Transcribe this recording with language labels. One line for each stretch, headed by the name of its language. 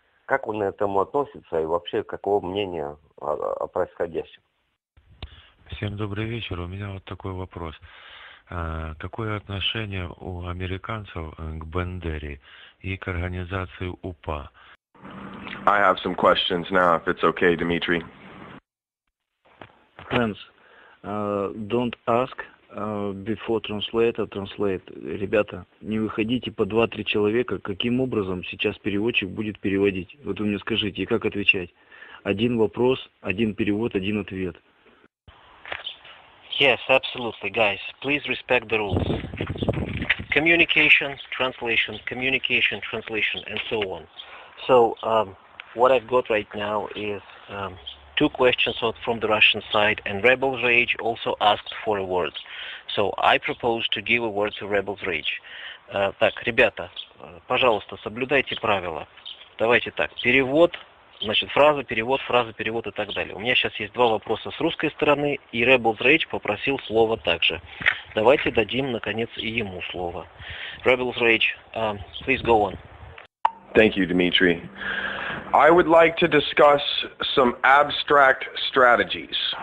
Russian: Как он к этому относится и вообще какого мнения о происходящем? Всем добрый вечер. У меня вот такой вопрос. Какое отношение у американцев к Бандере и к организации УПА?
English: I have some questions now, if it's okay, Dmitry. Friends, don't ask before translator, translate.
Russian: Ребята, не выходите по 2-3 человека, каким образом сейчас переводчик будет переводить. Вот вы мне скажите, и как отвечать? Один вопрос, один перевод, один ответ.
English: Yes, absolutely, guys. Please respect the rules. Communication, translation, communication, translation, and so on. So, what I've got right now is two questions from the Russian side, and Rebel's Rage also asked for a word. So, I propose to give a word to Rebel's Rage.
Russian: Так, ребята, пожалуйста, соблюдайте правила. Давайте так, перевод... Значит, фраза, перевод и так далее. У меня сейчас есть два вопроса с русской стороны, и Rebel's Rage попросил слово также. Давайте дадим, наконец, и ему слово.
English: Rebel's Rage, please go on. Thank you, Dmitry. I would like to discuss some abstract strategies.